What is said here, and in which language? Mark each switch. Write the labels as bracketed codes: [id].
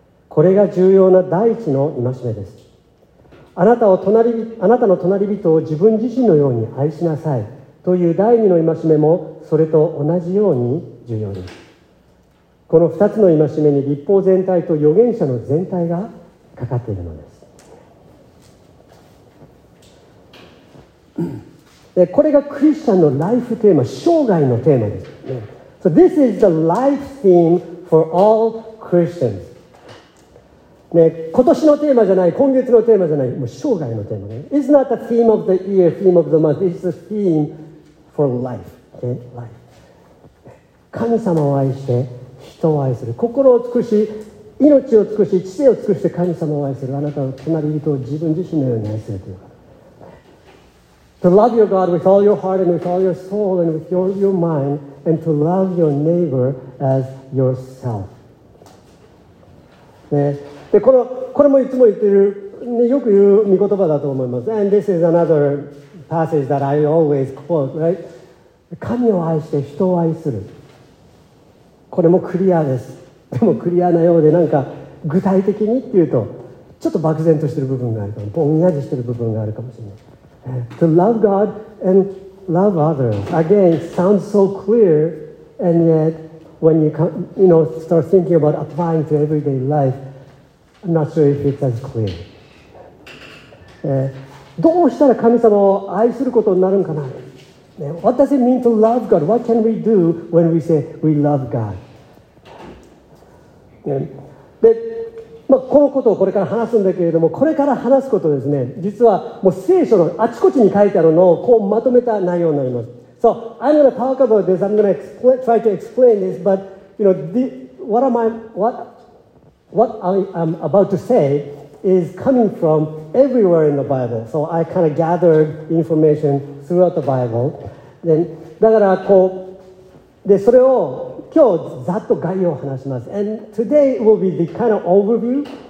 [ja] これが重要な第一の戒めです。あなたの隣人を自分自身のように愛しなさいという第二の戒めもそれと同じように重要です。この二つの戒めに律法全体と預言者の全体がかかっているのです。で、これがクリスチャンのライフテーマ、生涯のテーマです。 [en] So this is the life theme for all Christians. [ja] ね、今年のテーマじゃない、今月のテーマじゃない、もう生涯のテーマね。 [en] It's not the theme of the year, theme of the month. It's the theme for life. Okay? Life. [ja] 神様を愛して人を愛する。心を尽くし、命を尽くし、知性を尽くして神様を愛する。あなたの隣人を自分自身のように愛するというか。 [en] To love your God with all your heart and with all your soul and with all your mind and to love your neighbor as yourself. [ja] ね。でこれもいつも言ってる、ね、よく言う見言葉だと思います。 [en] And this is another passage that I always quote, right? [ja] 神を愛して人を愛する。これもクリアです。でもクリアなようで、なんか具体的にっていうと、ちょっと漠然としてる部分があるかも、ぼんやりしてる部分があるかもしれない。 [en] To love God and love others. Again, sounds so clear, and yet when you, you know, start thinking about applying to everyday life,I'm not sure if it's as clear. [ja] どうしたら神様を愛することになるのかな、ね、 [en] What does it mean to love God? What can we do when we say we love God?、 [ja] ね、で、まあ、このことをこれから話すんだけれども、これから話すことですね、実はもう聖書のあちこちに書いてあるのをこうまとめた内容になります。 [en] So, I'm going to talk about this. I'm going to try to explain this. But, you know, What I am about to say is coming from everywhere in the Bible. So I kind of gathered information throughout the Bible. [ja] Then, だからこう、で、それを今日ざっと概要を話します。 [en] And today will be the kind of overview.